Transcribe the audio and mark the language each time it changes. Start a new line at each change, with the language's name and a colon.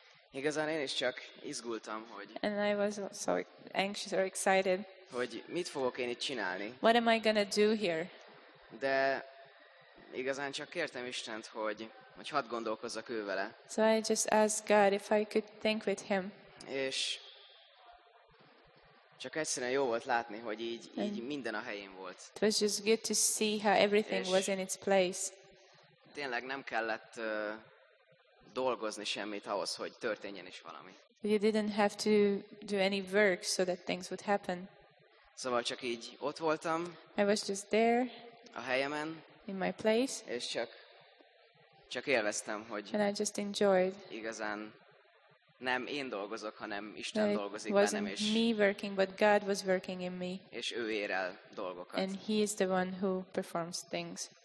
Hungarian: Igazán én is csak izgultam, hogy...
English: And I was so anxious or excited.
Hungarian: Hogy mit fogok én itt csinálni.
English: What am I gonna do here?
Hungarian: De igazán csak kértem Istent, hogy hadd gondolkozzak ő vele.
English: So I just asked God if I could think with him.
Hungarian: És csak egyszerűen jó volt látni, hogy így minden a helyén volt.
English: It was just good to see how everything was in its place.
Hungarian: Tényleg nem kellett... dolgozni semmit ahhoz, hogy történjen is valami.
English: You didn't have to do any work so that things would happen.
Hungarian: Szóval csak így ott voltam.
English: I was just there.
Hungarian: A helyemen.
English: In my place.
Hungarian: És csak élveztem, hogy.
English: And I just enjoyed.
Hungarian: Igazán nem én dolgozok, hanem Isten dolgozik bennem is.
English: Me working, but God was working in me.
Hungarian: És ő ér el dolgokat.
English: And he is the one who performs things.